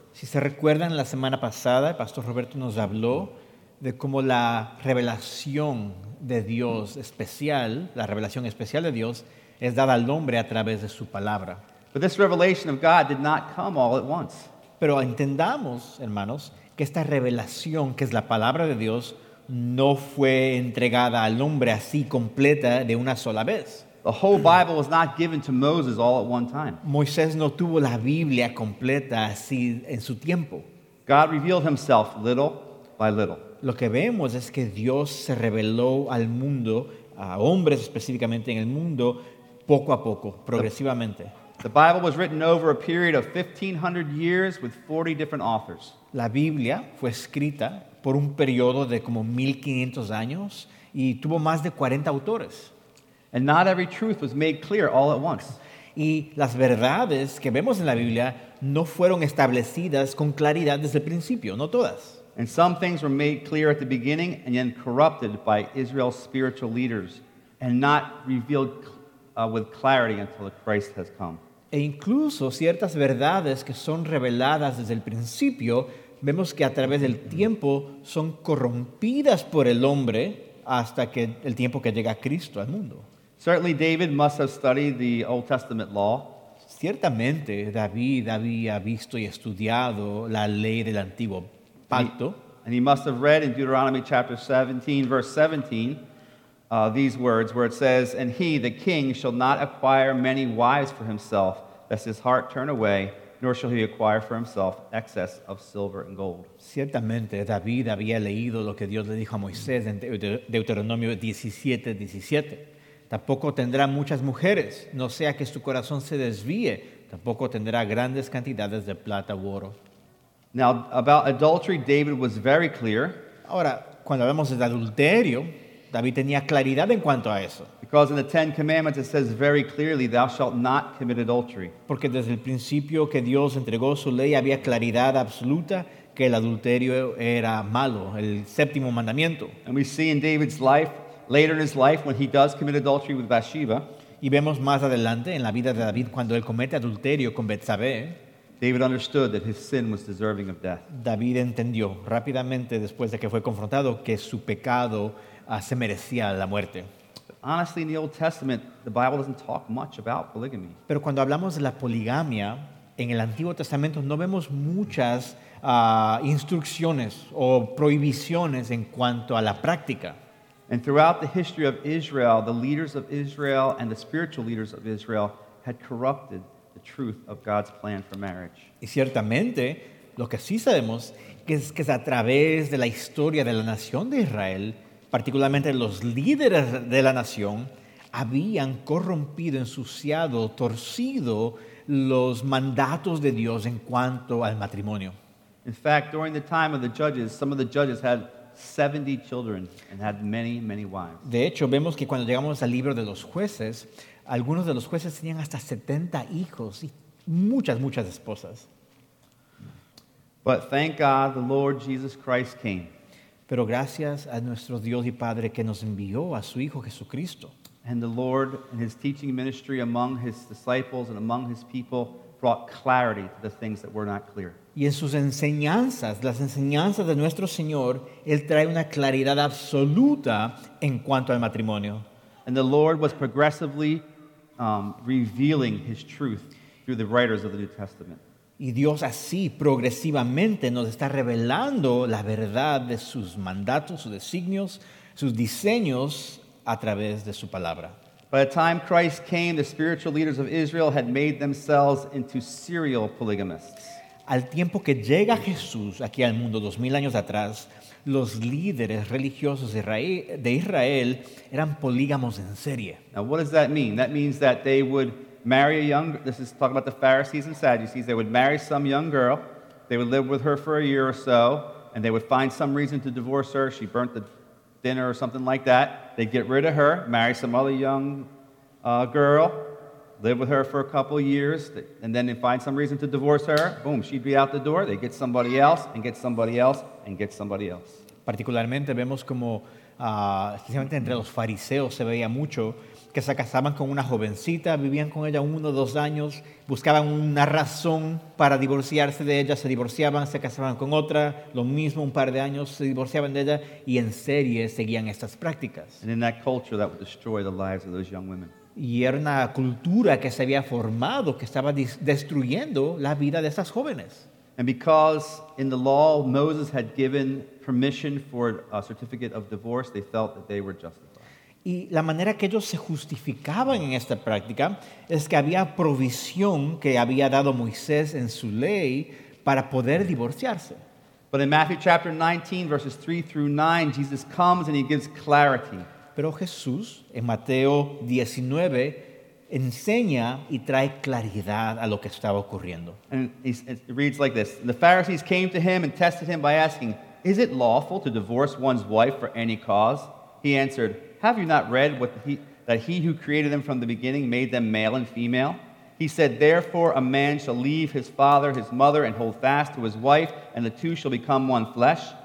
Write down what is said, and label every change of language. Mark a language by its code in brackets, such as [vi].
[es] Si se recuerdan, la semana pasada, Pastor Roberto nos habló de cómo la revelación de Dios especial, la revelación especial de Dios, es dada al hombre a través de su palabra. [en] But this revelation of God did not come all at once. [es] Pero entendamos, hermanos, que esta revelación, que es la palabra de Dios, no fue entregada al hombre así completa de una sola vez. [en] The whole Bible was not given to Moses all at one time. [es] Moisés no tuvo la Biblia completa así en su tiempo. [en] God revealed himself little by little. [es] Lo que vemos es que Dios se reveló al mundo, a hombres específicamente en el mundo, poco a poco, progresivamente. [en] The Bible was written over a period of 1500 years with 40 different authors. [es] La Biblia fue escrita por un periodo de como 1500 años y tuvo más de 40 autores. [en] And not every truth was made clear all at once. [es] Y las verdades que vemos en la Biblia no fueron establecidas con claridad desde el principio, no todas. [en] And some things were made clear at the beginning and then corrupted by Israel's spiritual leaders and not revealed with clarity until Christ has come. [es] E incluso ciertas verdades que son reveladas desde el principio, vemos que a través del tiempo son corrompidas por el hombre hasta que el tiempo que llega Cristo al mundo. [en] Certainly David must have studied the Old Testament law. [es] Ciertamente David había visto y estudiado la ley del antiguo pacto. [en] And he must have read in Deuteronomy chapter 17, verse 17, these words where it says, "And he, the king, shall not acquire many wives for himself, lest his heart turn away, nor shall he acquire for himself excess of silver and gold." [es] Ciertamente David había leído lo que Dios le dijo a Moisés en Deuteronomio 17:17. Tampoco tendrá muchas mujeres, no sea que su corazón se desvíe. Tampoco tendrá grandes cantidades de plata u oro. [en] Now, about adultery, David was very clear. [es] Ahora, cuando hablamos de adulterio, David tenía claridad en cuanto a eso. [en] Because in the Ten Commandments it says very clearly, "Thou shalt not commit adultery." [es] Porque desde el principio que Dios entregó su ley había claridad absoluta que el adulterio era malo, el séptimo mandamiento. [en] And we see in David's life, later in his life, when he does commit adultery with Bathsheba. [es] Y vemos más adelante en la vida de David cuando él comete adulterio con Betsabé. [en] David understood that his sin was deserving of death. [es] David entendió rápidamente después de que fue confrontado que su pecado se merecía la muerte. [en] Honestly, in the Old Testament, the Bible doesn't talk much about polygamy. [es] Pero cuando hablamos de la poligamia, en el Antiguo Testamento no vemos muchas instrucciones o prohibiciones en cuanto a la práctica. [en] And throughout the history of Israel, the leaders of Israel and the spiritual leaders of Israel had corrupted the truth of God's plan for marriage. [es] Y ciertamente, lo que sí sabemos es que es a través de la historia de la nación de Israel, particularmente los líderes de la nación, habían corrompido, ensuciado, torcido los mandatos de Dios en cuanto al matrimonio. [en] In fact, during the time of the judges, some of the judges had 70 children and had many, many wives. [es] De hecho, vemos que cuando llegamos al libro de los jueces, algunos de los jueces tenían hasta 70 hijos y muchas, muchas esposas. [en] But thank God the Lord Jesus Christ came. [es] Pero gracias a nuestro Dios y Padre que nos envió a su Hijo Jesucristo. [en] And the Lord and his teaching ministry among his disciples and among his people brought clarity to the things that were not clear. [es] Y en sus enseñanzas, las enseñanzas de nuestro Señor, Él trae una claridad absoluta en cuanto al matrimonio. [en] And the Lord was progressively revealing his truth through the writers of the New Testament. [es] Y Dios así progresivamente nos está revelando la verdad de sus mandatos, sus designios, sus diseños a través de su palabra. [en] By the time Christ came, the spiritual leaders of Israel had made themselves into serial polygamists. [es] Al tiempo que llega Jesús aquí al mundo, 2000 años atrás, los líderes religiosos de Israel eran polígamos en serie. [en] Now, what does that mean? That means that they would marry a young girl. This is talking about the Pharisees and Sadducees. They would marry some young girl. They would live with her for a year or so, and they would find some reason to divorce her. She burnt the dinner or something like that. They'd get rid of her, marry some other young girl, live with her for a couple years, and then they find some reason to divorce her. Boom, she'd be out the door. They get somebody else, and get somebody else, and get somebody else. [es] Particularmente vemos como, especialmente entre los fariseos se veía mucho, que se casaban con una jovencita, vivían con ella 1 o 2 años, buscaban una razón para divorciarse de ella, se divorciaban, se casaban con otra, lo mismo un par de años, se divorciaban de ella, y en serie seguían estas prácticas. [en] And in that culture, that would destroy the lives of those young women. [es] Y era una cultura que se había formado, que estaba destruyendo la vida de esas jóvenes. [en] And because in the law Moses had given permission for a certificate of divorce, they felt that they were justified. [es] Y la manera que ellos se justificaban en esta práctica es que había provisión que había dado Moisés en su ley para poder divorciarse. [en] But in Matthew chapter 19, verses 3 through 9, Jesus comes and he gives clarity. [es] Pero Jesús, en Mateo 19, enseña y trae claridad a lo que estaba ocurriendo. [en] And it reads like this. The Pharisees came to him and tested him by asking, "Is it lawful to divorce one's wife for any cause?" He answered, "Have you not read that he who created them from the beginning made them male and female? He said, therefore, a man shall leave his father, his mother, and hold fast to his wife, and the two shall become one flesh.